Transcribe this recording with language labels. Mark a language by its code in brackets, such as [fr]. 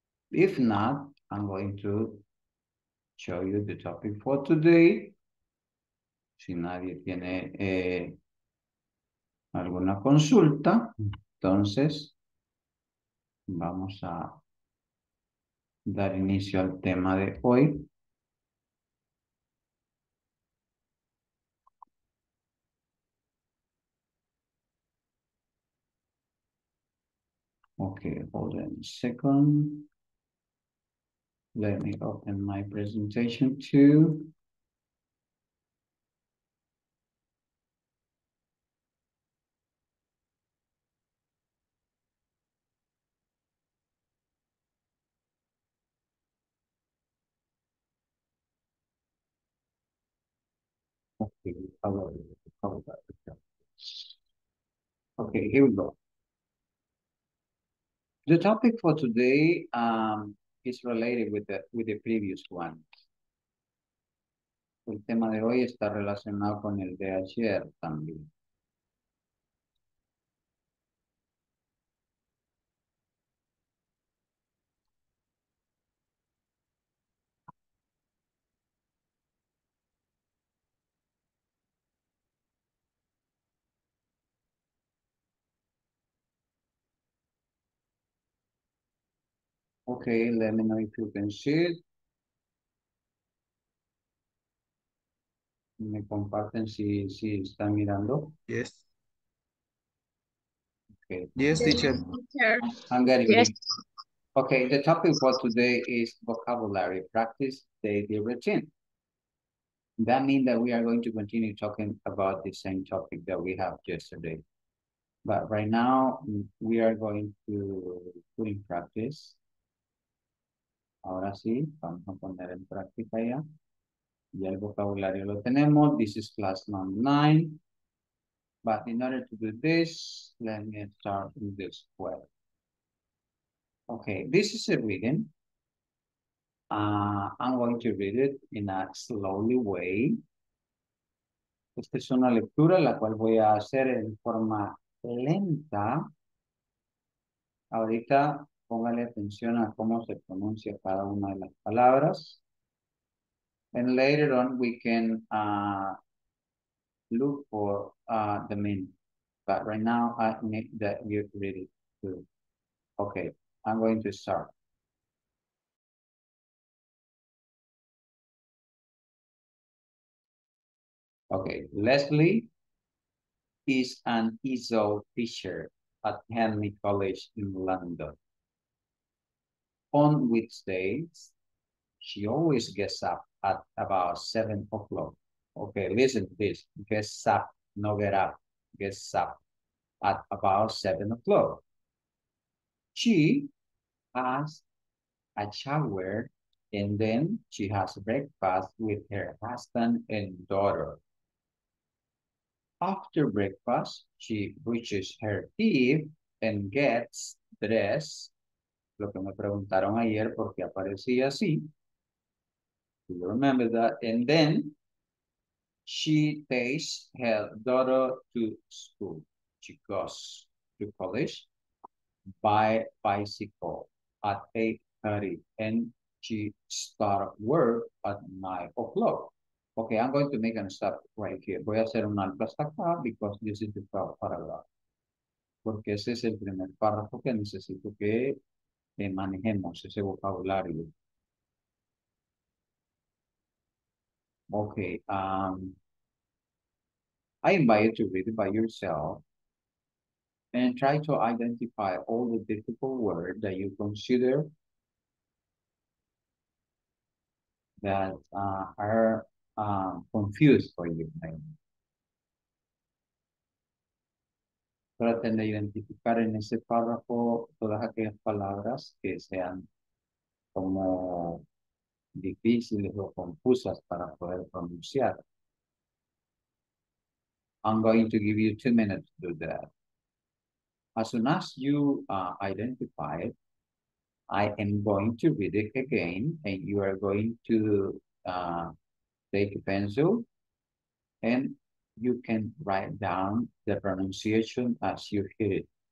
[en] If not, I'm going to show you the topic for today. [es] Si nadie tiene alguna consulta, entonces vamos a dar inicio al tema de hoy. [en] Okay, hold on a second. Let me open my presentation too. Okay, here we go. The topic for today is related with the previous one. El tema de hoy está relacionado con el de ayer también. Okay, let me know if you can see it. [es] Me comparten si están mirando. [en] Yes. Okay. Yes, teacher. I'm getting yes. it. Okay, the topic for today is vocabulary. Practice daily routine. That means that we are going to continue talking about the same topic that we have yesterday. But right now, we are going to put in practice. [es] Ahora sí, vamos a poner en práctica ya. Ya el vocabulario lo tenemos. [en] This is class number 9. But in order to do this, let me start in this way. Okay, this is a reading. I'm going to read it in a slowly way. [es] Esta es una lectura la cual voy a hacer en forma lenta. Ahorita póngale atención a cómo se pronuncia cada una de las palabras. [en] And later on we can look for the meaning. But right now I need that you read it too. Okay, I'm going to start. Okay, Leslie is an ESO teacher at Henley College in London. On weekdays, she always gets up at about 7 o'clock. Okay, listen to this. Gets up, no get up, gets up at about 7 o'clock. She has a shower and then she has breakfast with her husband and daughter. After breakfast, she brushes her teeth and gets dressed. [es] Lo que me preguntaron ayer por qué aparecía así. [en] Do you remember that? And then she takes her daughter to school. She goes to college by bicycle at 8:30 and she starts work at 9 o'clock. Okay, I'm going to make a stop right here. [es] Voy a hacer un alto hasta acá [en] because this is the first paragraph. [es] Porque ese es el primer párrafo que necesito que manejemos ese vocabulario. [en] Okay, I invite you to read it by yourself and try to identify all the difficult words that you consider that are confused for you. [es] Traten de identificar en ese párrafo todas aquellas palabras que sean como difíciles o confusas para poder pronunciar. [en] I'm going to give you 2 minutes to do that. As soon as you identify it, I am going to read it again and you are going to take a pencil and you can write down the pronunciation as you hear it.